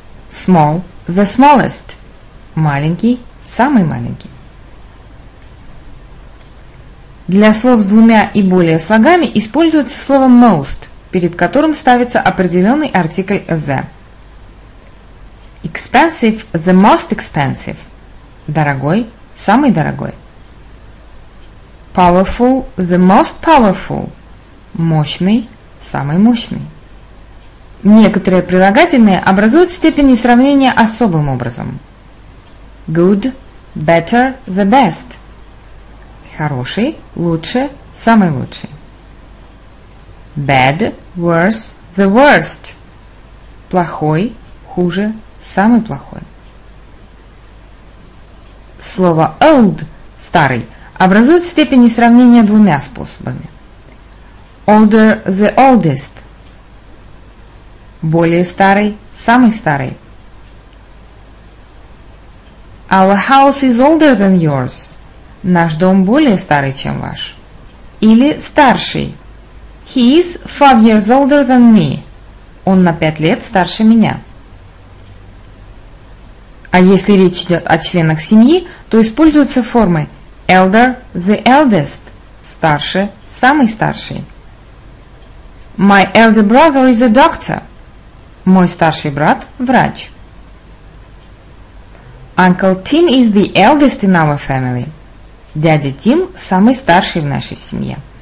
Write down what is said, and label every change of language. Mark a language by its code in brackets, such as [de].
[en] Small – the smallest. [ru] Маленький – самый маленький. Для слов с двумя и более слогами используется слово most, перед которым ставится определенный артикль the. [en] Expensive – the most expensive. [ru] Дорогой – самый дорогой. [en] Powerful – the most powerful. [ru] Мощный – самый мощный. Некоторые прилагательные образуют степени сравнения особым образом. [en] Good – better – the best. [ru] Хороший – лучше – самый лучший. [en] Bad, worse, the worst. [ru] Плохой, хуже, самый плохой. Слово old, старый, образует степени сравнения двумя способами. [en] Older, the oldest. [ru] Более старый, самый старый. [en] Our house is older than yours. [ru] Наш дом более старый, чем ваш. Или старший. [en] He is 5 years older than me. [ru] Он на 5 лет старше меня. А если речь идет о членах семьи, то используются формы elder, the eldest, старше, самый старший. [en] My elder brother is a doctor. [ru] Мой старший брат – врач. [en] Uncle Tim is the eldest in our family. [ru] Дядя Тим – самый старший в нашей семье.